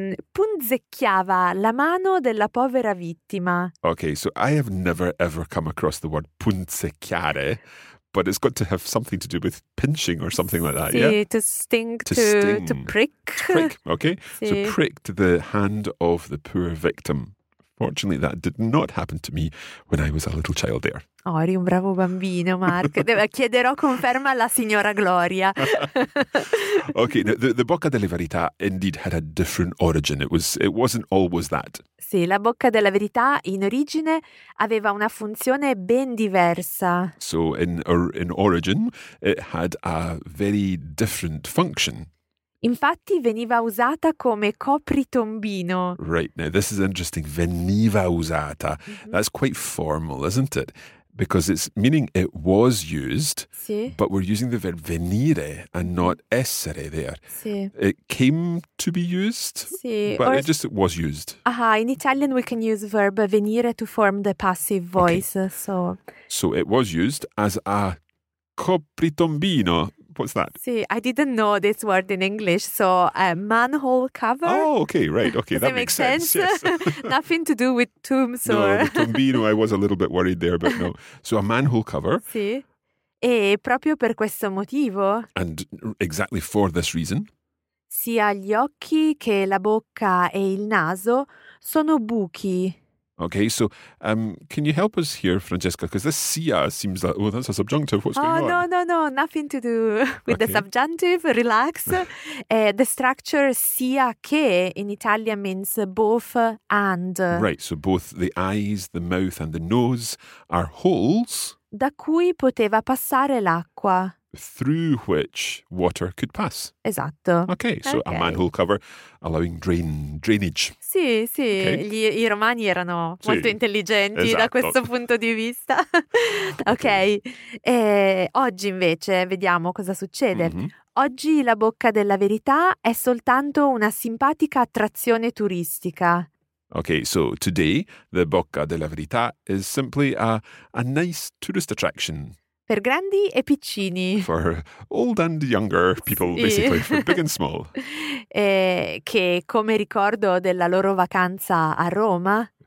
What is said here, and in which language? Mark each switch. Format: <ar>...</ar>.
<it>punzecchiava la mano della povera vittima.</it> <en>Okay, so I have never ever come across the word punzecchiare, but it's got to have something to do with pinching or something like that,</en> <it>sì,</it> <en>yeah? To sting, to prick. Prick, okay. Sì. So pricked the hand of the poor victim. Fortunately, that did not happen to me when I was a little child there.</en> <it>Oh, eri un bravo bambino, Mark. Chiederò conferma alla signora Gloria.</it> <en>Okay, now, the bocca della verità indeed had a different origin. It wasn't always that.</en> <it>Sì, la bocca della verità in origine aveva una funzione ben diversa.</it> <en>So, in origin, it had a very different function.</en> <it>Infatti veniva usata come copritombino.</it> <en>Right, now this is interesting.</en> <it>Veniva usata.</it> <en>Mm-hmm. That's quite formal, isn't it? Because it's meaning it was used,</en> <it>sì.</it> <en>but we're using the verb venire and not essere there.</en> <it>Sì.</it> <en>It came to be used,</en> <it>sì.</it> <en>but it was used. Uh-huh. In Italian we can use verb venire to form the passive voice. Okay. So it was used as a copritombino. What's that? See, I didn't know this word in English. So, manhole cover. Oh, okay, right. Okay, does that makes sense. Yes. Nothing to do with tombs no, or... No, the tombino, I was a little bit worried there, but no. So, a manhole cover.</en> <it>Sì. E proprio per questo motivo...</it> <en>And exactly for this reason.</en> <it>Sia gli occhi che la bocca e il naso sono buchi.</it> <en>Okay, so can you help us here, Francesca? Because this sia seems like, oh, that's a subjunctive. What's going on? Oh, no, nothing to do with okay. the subjunctive. Relax. the structure sia che in Italian means both and. Right, so both the eyes, the mouth and the nose are holes.</en> <it>Da cui poteva passare l'acqua.</it> <en>through which water could pass.</en> <it>Esatto.</it> <en>Okay, so okay. A manhole cover allowing drainage.</en> <it>Sì, sì, okay. I romani erano sì. molto intelligenti esatto. da questo punto di vista. Okay. Ok, e oggi invece vediamo cosa succede. Mm-hmm. Oggi la bocca della verità è soltanto una simpatica attrazione turistica.</it> <en>Okay, so today the Bocca della Verità is simply a nice tourist attraction.</en> <it>Per grandi e piccini.</it> <en>For old and younger people, sì. basically, for big and small.</en> <it>E che come ricordo della loro vacanza a Roma.</it>